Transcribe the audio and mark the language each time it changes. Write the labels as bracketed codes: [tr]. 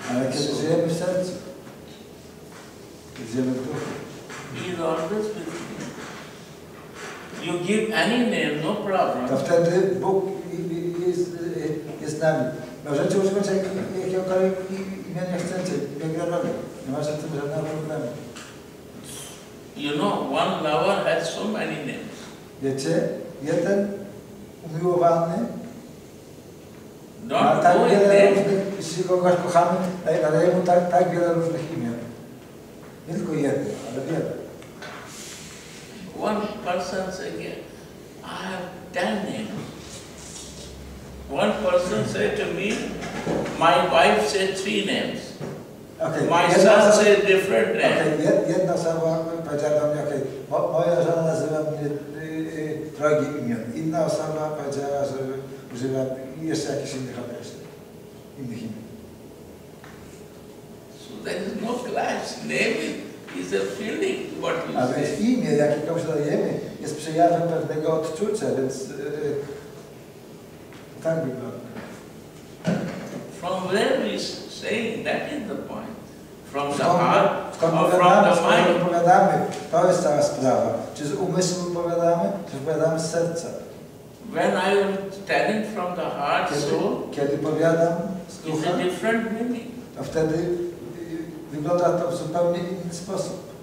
[pl] ale kiedy żyjemy w sercu, kiedy żyjemy w duchu, [en] he is always with me. You give any name, no problem. [pl] To wtedy Bóg jest z nami. Możecie używać jakiegokolwiek imienia chcecie, nie gra rolę. Nie ma z tym żadnego problemu. [en] You know, one lover has so many names. [pl] Wiecie, jeden umiłowany ma tak wiele różnych, jeśli kogoś kochamy, nadaje mu tak wiele różnych imion. Nie tylko jeden, ale wiele. [en] One person says, I have 10 names. One person said to me, my wife said 3 names. Okay. My son says different names. Okay. [pl] Jedna osoba powiedziała do mnie, okay. Moja żona nazywa mnie drogi imion. Inna osoba powiedziała, że używa jeszcze jakichś innych określeń. Innych imion. [en] So there is no class. Name is a feeling, what you say. [pl] A więc imię, jakie komuś dajemy, jest przejawem pewnego odczucia, więc tak by było. [en] From where is saying, that is the point. From the heart or from the mind. [pl] Skąd opowiadamy? To jest cała sprawa. Czy z umysłu opowiadamy, czy opowiadamy z serca? [en] When I am telling from the heart, [pl] kiedy powiadam z ducha, [en] it's a different meaning. [pl] To wtedy wygląda to w zupełnie inny sposób.